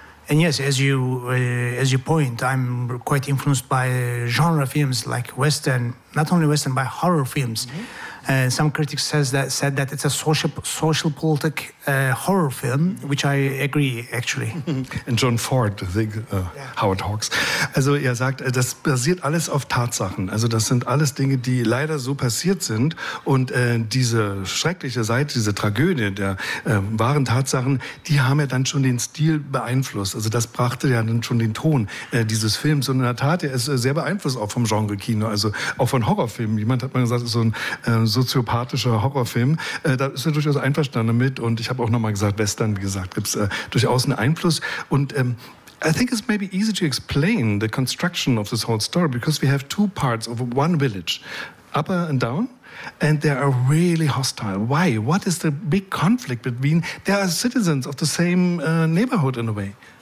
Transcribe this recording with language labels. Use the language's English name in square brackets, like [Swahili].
[English] And yes, as you point, I'm quite influenced by genre films like Western, not only Western, by horror films. Mm-hmm. Some critics said that it's a social politic horror film, which I agree, actually. And John Ford, I think, Howard Hawks. [German] Also er sagt, das basiert alles auf Tatsachen. Also das sind alles Dinge, die leider so passiert sind. Und diese schreckliche Seite, diese Tragödie der wahren Tatsachen, die haben ja dann schon den Stil beeinflusst. Also das brachte ja dann schon den Ton dieses Films. Und in der Tat, er ist sehr beeinflusst auch vom Genre-Kino, also auch von Horrorfilmen. Jemand hat mal gesagt, ist so ein soziopathischer Horrorfilm. Da ist er durchaus einverstanden mit. Und ich habe auch nochmal gesagt, Western, wie gesagt, gibt es durchaus einen Einfluss. [English] Und I think it's maybe easy to explain the construction of this whole story, because we have two parts of one village, upper and down, and they are really hostile. Why? What is the big conflict between? There are citizens of the same neighborhood in a way.